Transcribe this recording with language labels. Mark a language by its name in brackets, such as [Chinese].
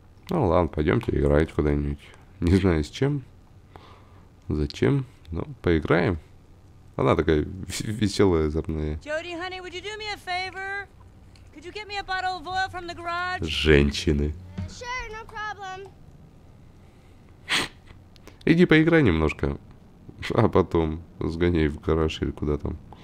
[Russian] Ну ладно, пойдемте играть куда-нибудь. Не знаю с чем, зачем, но поиграем. Она такая веселая, озорная. [English] Jody, honey, would you do me a favor? Could you get me a bottle of oil from the garage? Женщины. Sure, no problem. [Russian] Иди поиграй немножко, а потом сгоняй в гараж или куда там.